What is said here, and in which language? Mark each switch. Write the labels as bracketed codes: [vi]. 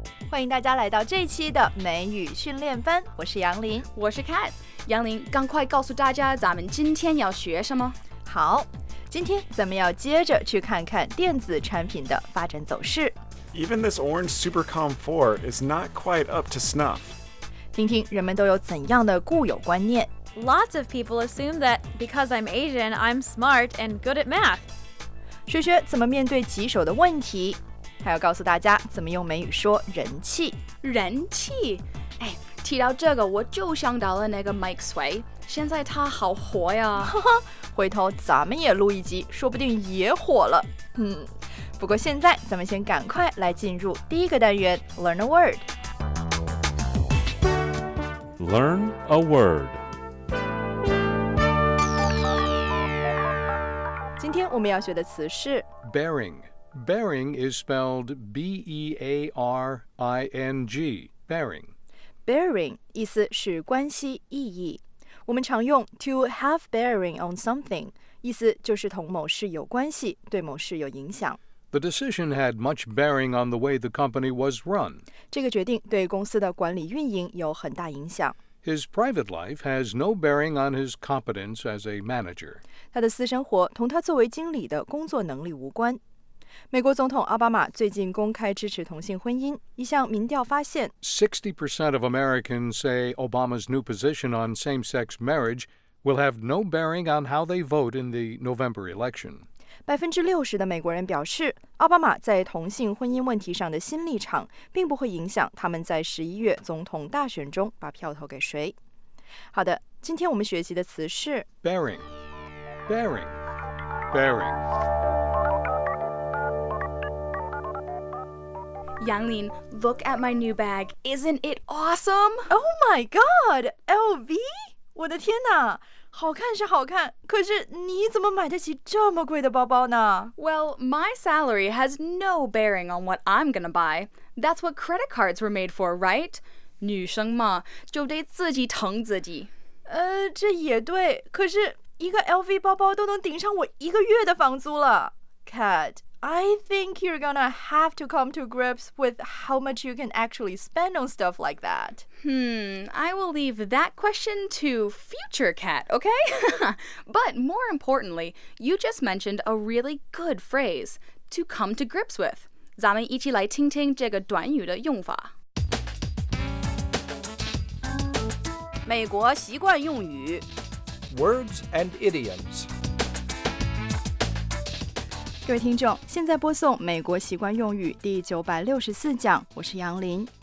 [zh] 欢迎大家来到这一期的美语训练班，我是杨林，我是 Kat。杨林，赶快告诉大家咱们今天要学什么。好，今天咱们要接着去看看电子产品的发展走势。 [en] Even this orange Supercom 4 is not quite up to snuff. [zh] 听听人们都有怎样的固有观念。 [en] Lots of people assume that because I'm Asian, I'm smart and good at math. [zh] 学学怎么面对棘手的问题，还要告诉大家怎么用美语说人气。人气，哎，提到这个我就想到了那个 Mike Sway， 现在他好火呀。回头咱们也录一集，说不定也火了。不过现在咱们先赶快来进入第一个单元 [en] Learn a Word。 Learn a Word。 [zh] 今天我们要学的词是 [en] BearingBearing is spelled B-E-A-R-I-N-G, bearing. [zh] Bearing 意思是关系意义。我们常用 [en] to have bearing on something, [zh] 意思就是同某事有关系，对某事有影响。 [en] The decision had much bearing on the way the company was run. [zh] 这个决定对公司的管理运营有很大影响。 [en] His private life has no bearing on his competence as a manager. [zh] 他的私生活同他作为经理的工作能力无关。美国总统奥巴马最近公开支持同性婚姻，一项民调发现 [en] 60% of Americans say Obama's new position on same-sex marriage will have no bearing on how they vote in the November election. [zh] 60% 的美国人表示，奥巴马在同性婚姻问题上的新立场并不会影响他们在11月总统大选中把票投给谁。好的，今天我们学习的词是 [en] bearing, bearing, bearing。 Yanglin, look at my new bag. Isn't it awesome? Oh my god, LV? [zh] 我的天哪，好看是好看，可是你怎么买得起这么贵的包包呢？ [en] Well, my salary has no bearing on what I'm gonna buy. That's what credit cards were made for, right? [zh] 女生嘛，就得自己疼自己。这也对，可是一个 LV 包包都能顶上我一个月的房租了。 [en] Kat,I think you're gonna have to come to grips with how much you can actually spend on stuff like that. I will leave that question to future Kat, okay? But more importantly, you just mentioned a really good phrase, to come to grips with. [zh] 咱们一起来听听这个短语的用法。美国习惯用语。 [en] Words and idioms. [zh] 各位听众，现在播送美国习惯用语第964讲，我是杨林。